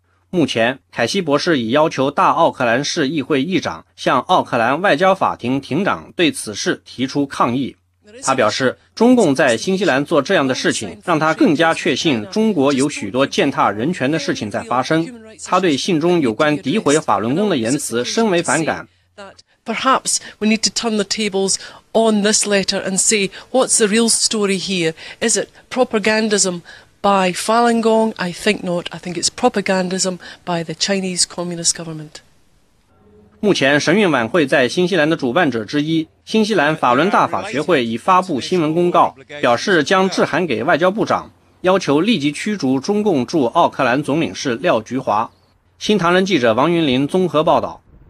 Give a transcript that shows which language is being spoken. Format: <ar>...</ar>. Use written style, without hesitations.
<zh>目前，凯西博士已要求大奥克兰市议会议长向奥克兰外交法庭庭长对此事提出抗议。他表示，中共在新西兰做这样的事情，让他更加确信中国有许多践踏人权的事情在发生。他对信中有关诋毁法轮功的言辞深为反感。</zh> <en>Perhaps we need to turn the tables on this letter and say what's the real story here? Is it propagandism by Falun Gong? I think not. I think it's propagandism by the Chinese Communist government.</en> <zh>目前，神韵晚会在新西兰的主办者之一。新西兰法轮大法学会已发布新闻公告，表示将致函给外交部长，要求立即驱逐中共驻奥克兰总领事廖菊华。新唐人记者王云林综合报道。</zh>